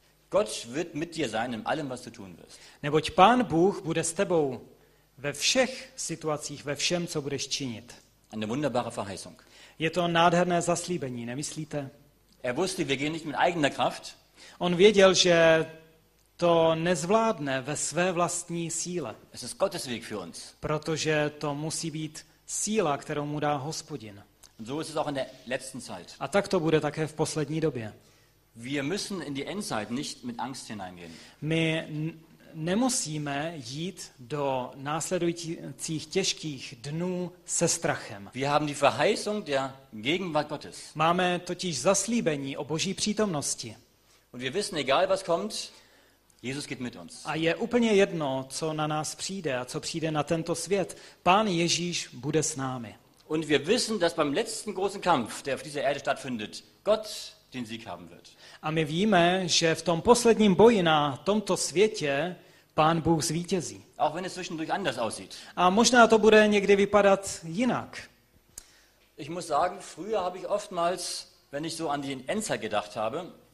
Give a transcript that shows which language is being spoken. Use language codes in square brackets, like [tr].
[de] Gott wird mit dir sein in allem, was du tun wirst. [cs] Neboť Pán Bůh bude s tebou ve všech situacích, ve všem, co budeš činit. [de] Eine wunderbare Verheißung. [cs] Je to nádherné zaslíbení, nemyslíte? [de] Er wusste, wir gehen nicht mit eigener Kraft. [cs] On věděl, že to nezvládne ve své vlastní síle. [de] Es ist Gottes Weg für uns. [cs] Protože to musí být síla, kterou mu dá Hospodin. [de] Und so ist es auch in der letzten Zeit. [cs] A tak to bude také v poslední době. [de] Wir müssen in die Endzeit nicht mit Angst hineingehen. [cs] My nemusíme jít do následujících těžkých dnů se strachem. [de] Wir haben die Verheißung der Gegenwart Gottes. [cs] Máme totiž zaslíbení o Boží přítomnosti. [de] Und wir wissen, egal was kommt, Jesus geht mit uns. [cs] A je úplně jedno, co na nás přijde a co přijde na tento svět. Pán Ježíš bude s námi. [de] Und wir wissen, dass beim letzten großen Kampf, der auf dieser Erde stattfindet, Gott den Sieg haben wird. [cs] A my víme, že v tom posledním boji na tomto světě Pán Bůh zvítězí. [de] Auch wenn es zwischendurch anders aussieht. [cs] A možná to bude někdy vypadat jinak. [de] Ich muss sagen, früher habe ich oftmals, wenn ich so an die Endzeit gedacht habe,